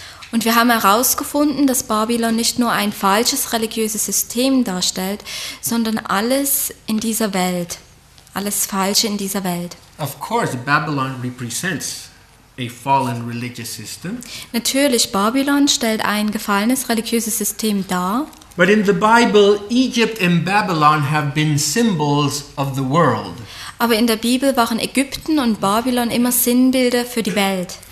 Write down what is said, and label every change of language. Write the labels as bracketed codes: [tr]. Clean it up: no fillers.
[de] Und wir haben herausgefunden, dass Babylon nicht nur ein falsches religiöses System darstellt, sondern alles in dieser Welt, alles Falsche in dieser Welt. [en] Of course, Babylon represents a fallen religious system. [de] Natürlich, Babylon stellt ein gefallenes religiöses System dar. [en] But in the Bible, Egypt and Babylon have been symbols of the world. [de] Aber in der Bibel waren Ägypten und Babylon immer Sinnbilder für die Welt.